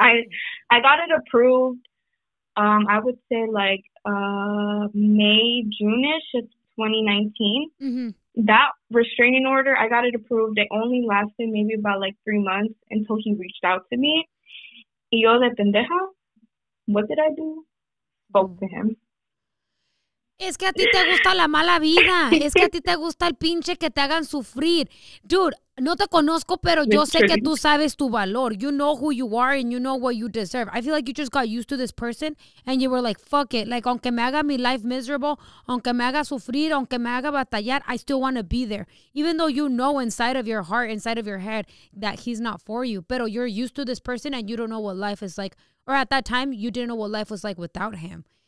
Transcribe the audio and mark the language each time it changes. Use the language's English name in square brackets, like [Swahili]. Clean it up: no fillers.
[English] I got it approved, I would say, like, May, June-ish of 2019. Mm-hmm. That restraining order, I got it approved. It only lasted maybe about, like, 3 months until he reached out to me. [Spanish] Y yo de pendeja, [English] what did I do? Spoke to him. [Spanish] Es que a ti te gusta la mala vida. Es que a ti te gusta el pinche que te hagan sufrir. Dude, no te conozco, pero yo sé que tú sabes tu valor. [English] You know who you are and you know what you deserve. I feel like you just got used to this person and you were like, fuck it. [Spanish] Like, aunque me haga mi life miserable, aunque me haga sufrir, aunque me haga batallar, [English] I still want to be there. Even though you know inside of your heart, inside of your head, that he's not for you. Pero you're used to this person and you don't know what life is like. Or at that time, you didn't know what life was like without him.